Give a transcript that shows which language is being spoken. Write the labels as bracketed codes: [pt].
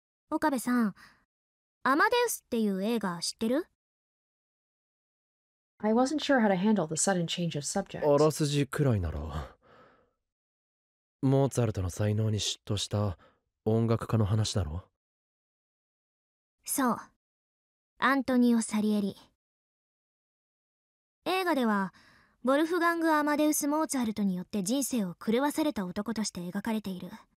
[ja] 岡部さん、アマデウスっていう映画知ってる? [en] I wasn't sure how to handle the sudden change of subject. [ja] あらすじくらいなら。モーツァルトの才能に嫉妬した音楽家の話だろ? そう。アントニオ・サリエリ。映画では、ボルフガング・アマデウス・モーツァルトによって人生を狂わされた男として描かれている。